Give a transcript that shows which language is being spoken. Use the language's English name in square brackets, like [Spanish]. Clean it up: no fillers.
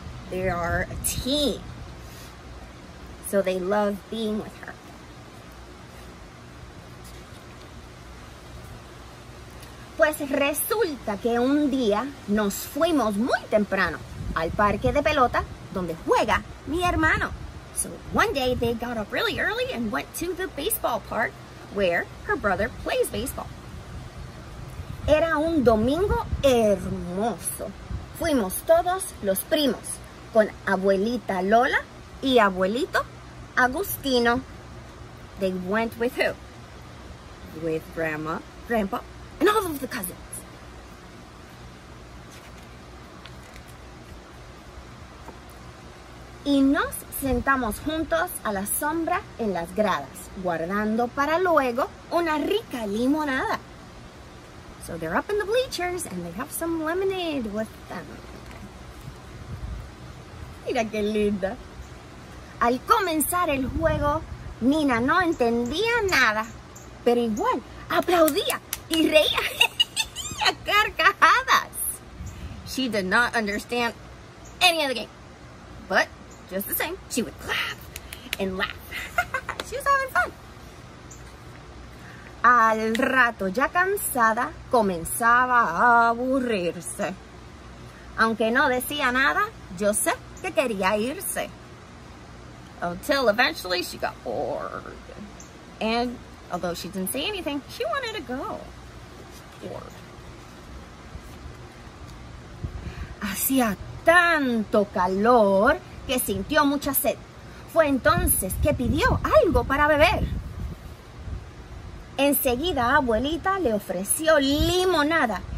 [English] They are a team. So they love being with her. [Spanish] Pues resulta que un día nos fuimos muy temprano al parque de pelota donde juega mi hermano. [English] So one day they got up really early and went to the baseball park where her brother plays baseball. [Spanish] Era un domingo hermoso. Fuimos todos los primos con abuelita Lola y abuelito Agustino. [English] They went with who? With grandpa. And all of the cousins. [Spanish] Y nos sentamos juntos a la sombra en las gradas, guardando para luego una rica limonada. [English] So they're up in the bleachers and they have some lemonade with them. [Spanish] Mira qué linda. Al comenzar el juego, Nina no entendía nada, pero igual aplaudía y reía a carcajadas. [English] She did not understand any of the game, but just the same, she would clap and laugh. She was having fun. [Spanish] Al rato, ya cansada, comenzaba a aburrirse. Aunque no decía nada, yo sé que quería irse. [English] Until eventually she got bored. And although she didn't say anything, she wanted to go. Bored. [Spanish] Hacía tanto calor que sintió mucha sed. Fue entonces que pidió algo para beber. Enseguida abuelita le ofreció limonada.